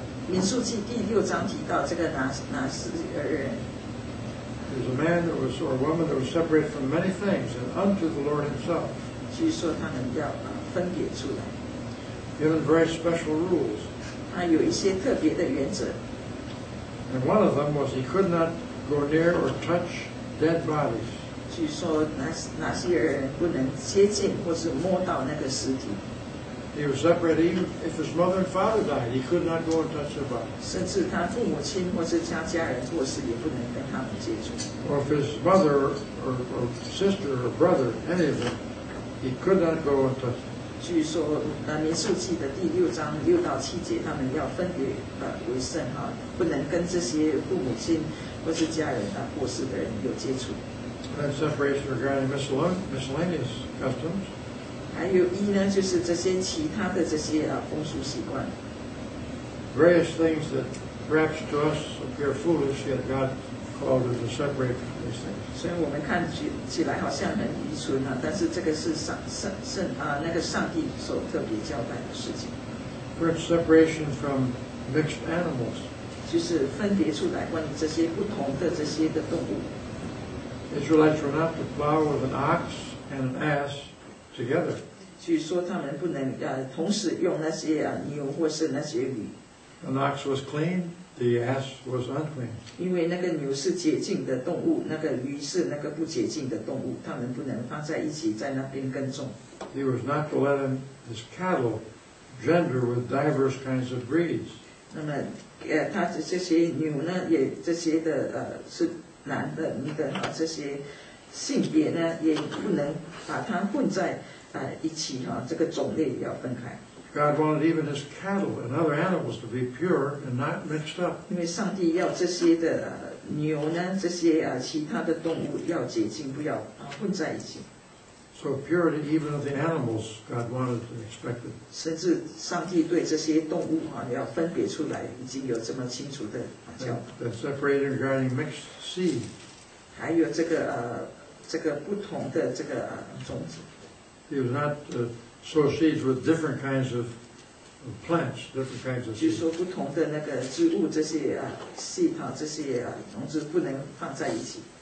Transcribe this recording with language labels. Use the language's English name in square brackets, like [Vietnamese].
[Chinese] 民数记第六章提到这个拿撒勒人。 [English] There's a man that was, or a woman that was separated from many things and unto the Lord Himself. [Chinese] 据说他们要分别出来。 [English] Given very special rules. [Chinese] 他有一些特别的原则。 [English] And one of them was he could not go near or touch dead bodies. [Chinese] 据说哪些人不能接近或是摸到那个尸体。 [English] He was separated even if his mother and father died, he could not go and touch their body. [Chinese] 甚至他父母亲或是家人过世也不能跟他们接触。 [English] Or if his mother or sister or brother, any of them, he could not go and touch them. [Chinese] 据说民数记的第六章六到七节，他们要分别为圣哈，不能跟这些父母亲或是家人过世的人有接触。 [English] And separation regarding miscellaneous customs. [Chinese] 还有一呢，就是这些其他的这些风俗习惯。 [English] Various things that perhaps to us appear foolish, yet God called us to separate from these things. [Chinese] 所以我们看起来好像很愚蠢啊，但是这个是那个上帝所特别交代的事情。 [English] First, separation from mixed animals. [Chinese] 就是分别出来关于这些不同的这些的动物。 [English] Israelites were not to plow with an ox and an ass together. [Chinese] 据说他们不能同时用那些牛或是那些驴。 [English] An ox was clean, the ass was unclean. [Chinese] 因为那个牛是洁净的动物，那个驴是那个不洁净的动物，他们不能放在一起在那边耕种。 [English] He was not to let his cattle gender with diverse kinds of breeds. [Chinese] 那么他的这些牛呢，也这些的是。男的、女的哈，这些性别呢，也不能把它混在一起哈，这个种类要分开。 [English] God wanted even his cattle and other animals to be pure and not mixed up. [Chinese] 因为上帝要这些的牛呢，这些其他的动物要洁净，不要混在一起。 [English] So purity even of the animals God wanted and expected. [Chinese] 甚至上帝对这些动物哈要分别出来，已经有这么清楚的教。 [English] That separated regarding mixed. [Chinese] 还有这个不同的这个种子。 [English] He was not sow seeds with different kinds of plants, different kinds of seeds. [Chinese] 据说不同的那个植物这些seed哈，这些种子不能放在一起。